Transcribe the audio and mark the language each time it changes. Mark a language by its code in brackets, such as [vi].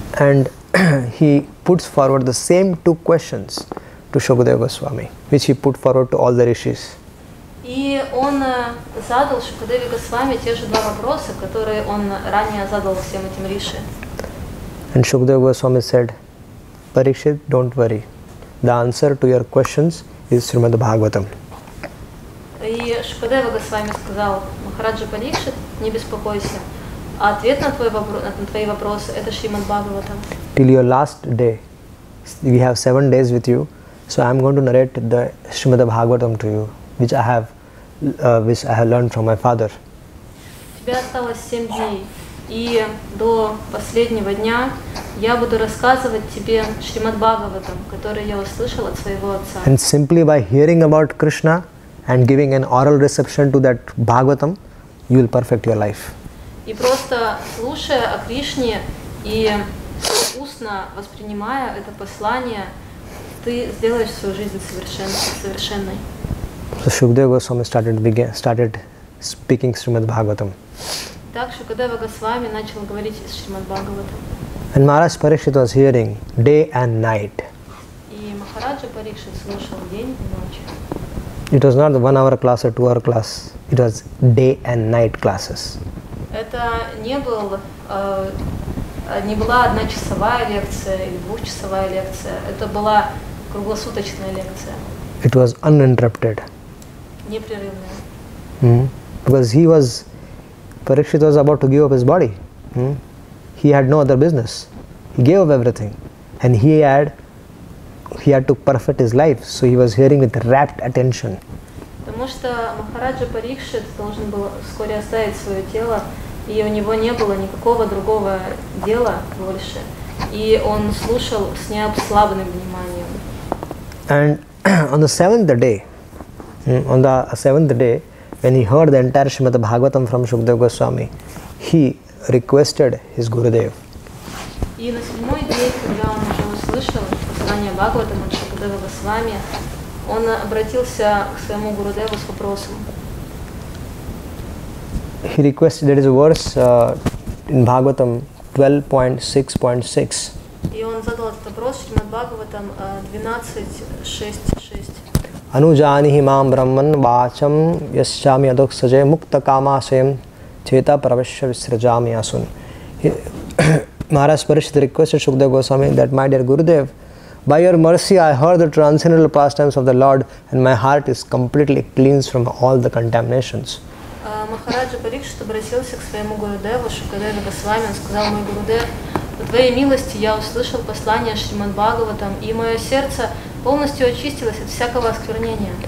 [en] And he puts forward the same two questions to Shukadeva Goswami, which he put forward to all the rishis. [ru] И он задал Шукадеве Госвами те же два вопроса, которые он ранее задал всем этим риши. [en] And Shukadeva Goswami said, Parikshit, don't worry. The answer to your questions is Srimad Bhagavatam. [ru] И Шукадева Госвами сказал: Махараджа Парикшит, не беспокойся. А ответ на твой вопрос, на твои вопросы, это Шримад Бхагаватам. [en] Till your last day, we have 7 days with you. So I'm going to narrate the Srimad Bhagavatam to you, which I have learned from my father. [ru] Тебе осталось 7 дней, и до последнего дня я буду рассказывать тебе Шримад Бхагаватам, который я услышал от своего отца. [en] And simply by hearing about Krishna and giving an oral reception to that Bhagavatam, you will perfect your life. [ru] И просто слушая о Кришне и устно воспринимая это послание, ты сделаешь свою жизнь совершенной. [en] So Shukadeva Goswami started speaking Srimad Bhagavatam. [ru] Так Шукадева Госвами начал говорить из Шримад Бхагаватам. [en] And Maharaj Parikshit was hearing day and night. [ru] И Махараджа Парикшит слушал день и ночь. [en] It was not the 1 hour class or 2 hour class. It was day and night classes. [ru] Это не была одночасовая лекция или двухчасовая лекция. Это была круглосуточная лекция. [en] It was uninterrupted. [ru] Непрерывная. [en] Because Parikshit was about to give up his body. He had no other business. He gave up everything. And he had to perfect his life. So he was hearing with rapt attention. [ru] Потому что Махараджа Парикшит должен был вскоре оставить свое тело, и у него не было никакого другого дела больше. И он слушал с неослабленным вниманием. [en] And on the seventh day, when he heard the entire Srimad Bhagavatam from Shukadeva Goswami, he requested his Gurudev. [ru] И на седьмой день, когда он уже услышал послание Бхагаватам от Шукадева Госвами, он обратился к своему Гурудеву с вопросом. [en] He requested, there is a verse in Bhagavatam 12.6.6. [ru] И он задал этот вопрос Шримад Бхагаватам 12.6.6. [sa] Анужанихи мам брахман вачам ясчами адок саже мукта камасем чета правеша висраджами асун. [en] Maharaj Parikshit requested Shukadeva Goswami that, my dear Gurudev, by your mercy I heard the transcendental pastimes of the Lord and my heart is completely cleansed from all the contaminations. [ru] Махараджа Парикшит обратился к своему Гурудеву Шукадеве Госвами, он сказал: мой Гурудев, по твоей милости я услышал послание Шримад Бхагаватам, и мое сердце полностью очистилось от всякого осквернения.